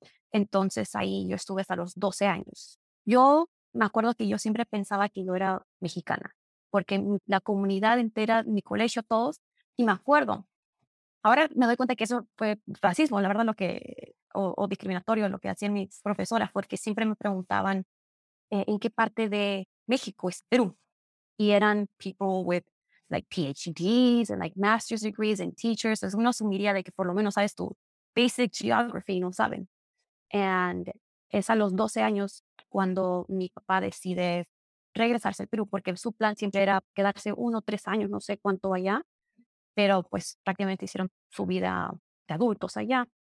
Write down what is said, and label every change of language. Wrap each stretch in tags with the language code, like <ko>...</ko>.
<es>Entonces ahí yo estuve hasta los 12 años. Yo me acuerdo que yo siempre pensaba que yo era mexicana, porque la comunidad entera, mi colegio, todos, y me acuerdo. Ahora me doy cuenta que eso fue racismo, la verdad, o discriminatorio, lo que hacían mis profesoras, porque siempre me preguntaban en qué parte de México es Perú. Y eran</es> <en>people with like PhDs and like master's degrees and teachers.</en> <es>Entonces uno asumiría de que por lo menos sabes tu</es> <en>basic geography,</en> <es>no saben.</es> <en>And</en> <es>es a los 12 años cuando mi papá decide regresarse al Perú, porque su plan siempre era quedarse 1 o 3 años, no sé cuánto allá. Pero pues prácticamente hicieron su vida de adultos allá.</es>